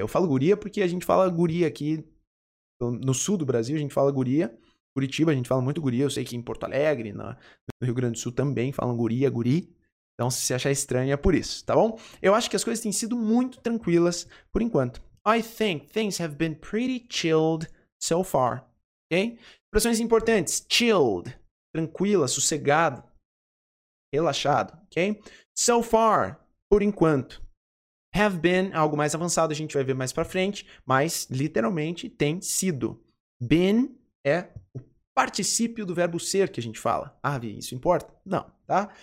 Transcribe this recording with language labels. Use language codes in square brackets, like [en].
[pt] Eu falo guria porque a gente fala guria aqui no sul do Brasil, a gente fala guria. Curitiba, a gente fala muito guria. Eu sei que em Porto Alegre, no Rio Grande do Sul também falam guria, guri. Então, se você achar estranho, é por isso, tá bom? Eu acho que as coisas têm sido muito tranquilas por enquanto. [en] I think things have been pretty chilled so far. Ok? [pt] Expressões importantes. Chilled. Tranquila, sossegado, relaxado, ok? [en] So far, [pt] por enquanto. [en] Have been, [pt] algo mais avançado, a gente vai ver mais pra frente, mas literalmente tem sido. Been é o particípio do verbo ser que a gente fala. Ah, isso importa? Não, tá?